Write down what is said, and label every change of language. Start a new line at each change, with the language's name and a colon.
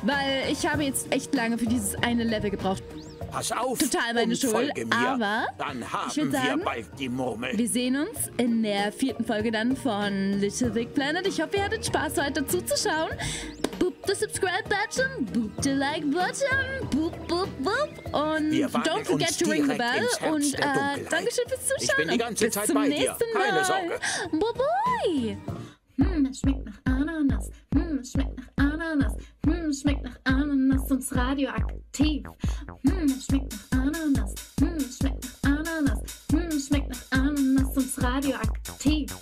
German: Weil ich habe jetzt echt lange für dieses eine Level gebraucht. Pass auf. Total meine Schuld. Folge mir. Aber dann haben wir bald die Murmel. Wir sehen uns in der vierten Folge dann von Little Big Planet. Ich hoffe, ihr hattet Spaß, heute zuzuschauen.
English: Boop the subscribe button, boop the like button, boop, boop, boop. Und don't forget to ring the bell.
German: Und Dankeschön fürs Zuschauen. Ich bin die ganze Zeit bei dir. Bis zum nächsten Mal. Keine Sorge. Bye bye. Es schmeckt nach Ananas. Es schmeckt nach Ananas. Es schmeckt nach Ananas. Sonst radioaktiv. Es schmeckt nach Ananas. Es schmeckt nach Ananas. Es schmeckt nach Ananas. Sonst radioaktiv.